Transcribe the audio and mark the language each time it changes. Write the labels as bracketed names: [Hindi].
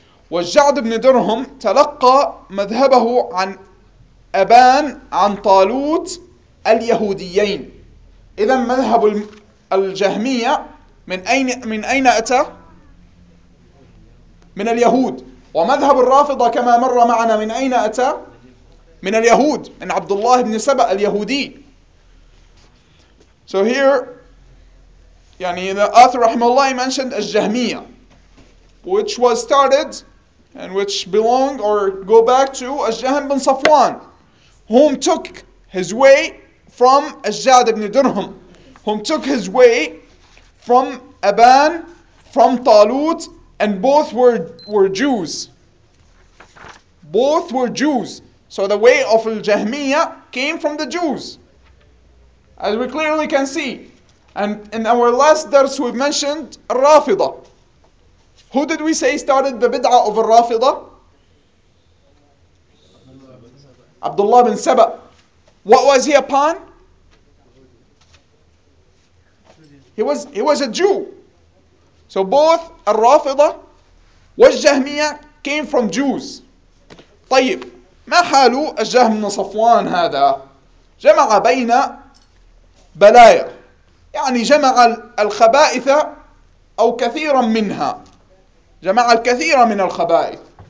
[Arabic] والجعد بن درهم تلقى مذهبه عن أبان عن طالوت اليهوديين. إذا مذهب الجهمية من أين أتى؟ من اليهود. ومذهب الرافضة كما مر معنا من أين أتى؟ من اليهود، من عبد الله بن سبأ اليهودي. [English] So here, يعني the author [Arabic] رحمه الله [English] mentioned الجهمية, which was started and which belong or go back to الجهم بن صفوان, whom took his way from الجعد بن درهم, whom took his way from أبان, from طالوت, and both were Jews. Both were Jews. So the way of al-Jahmiyyah came from the Jews, as we clearly can see. And in our last dars we've mentioned al-Rafidah. Who did we say started the bid'ah of al-Rafidah? Abdullah bin Saba. What was he upon? He was a Jew. So both al-Rafidah wal-Jahmiyyah came from Jews. [Arabic] طيب. ما حال الجهم بن صفوان هذا؟ جمع بين بلايا، يعني جمع الخبائث أو كثيرا منها، جمع الكثير من الخبائث.